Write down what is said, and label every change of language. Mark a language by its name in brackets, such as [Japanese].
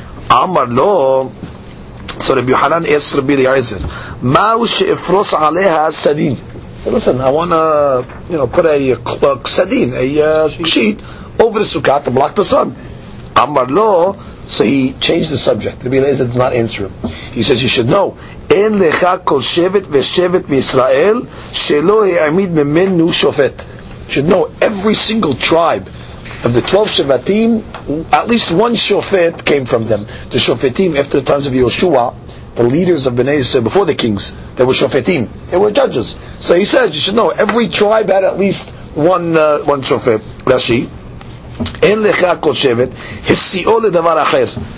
[English] Amar lo. So Rabbi Yohanan asked Rabbi Eliezer, ma'u she'efros aleha sadin. So listen, I want to put a sadin, a sheet over the sukkah to block the sun. Amar lo. So he changed the subject. Rabbi Eliezer did not answer him. He says, you should know, אין לך כל שבט ושבט מישראל שלא העמיד ממנו שופט. You should know, every single tribe of the 12 Shevatim, at least one Shofet came from them. The Shofetim, after the times of Yoshua, the leaders of Bnei Yisrael, before the kings, they were Shofetim. They were judges. So he says, you should know, every tribe had at least one Shofet. [Hebrew] Rashi, אין לך כל שבט, הסיעו לדבר אחר.